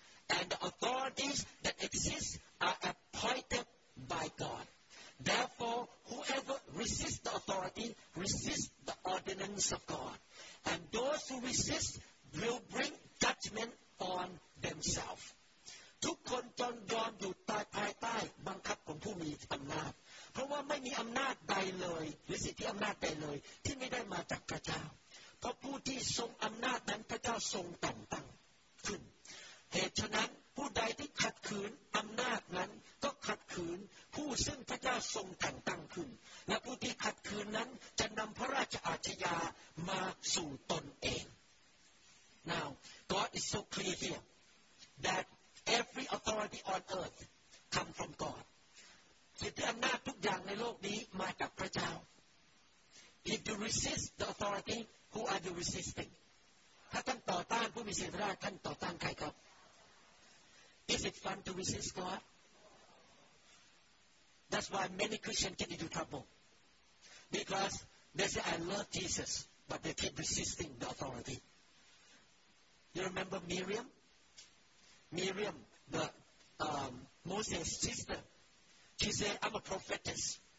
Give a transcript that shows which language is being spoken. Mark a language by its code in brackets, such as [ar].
[en] And the authorities that exist are appointed by God. Therefore, whoever resists the authority resists the ordinance of God. And those who resist will bring judgment on themselves. [th] ทุกคนจงยอมอยู่ใต้ภายใต้บังคับของผู้มีอำนาจเพราะว่าไม่มีอำนาจใดเลยหรือสิทธิอำนาจใดเลยที่ไม่ได้มาจากพระเจ้าเพราะผู้ที่ทรงอำนาจนั้นพระเจ้าทรงแต่งตั้งขึ้นเหตุฉะนั้นผู้ใดที่ขัดขืนอำนาจนั้นก็ขัดขืนผู้ซึ่งพระเจ้าทรงแต่งตั้งขึ้นและผู้ที่ขัดขืนนั้นจะนำพระราชอาชญามาสู่ตนเอง [en] Now God is so clear here that every authority on earth come from God [th] สิทธิอำนาจทุกอย่างในโลกนี้มาจากพระเจ้า [en] If you resist the authority who are you resisting [th] ถ้าท่านต่อต้านผู้มีสิทธิอำนาจท่านต่อต้านใครครับ [en] Is it fun to resist God? That's why many Christians get into trouble. Because they say, I love Jesus, but they keep resisting the authority. You remember Miriam? Miriam, the Moses' sister, she said, I'm a prophetess.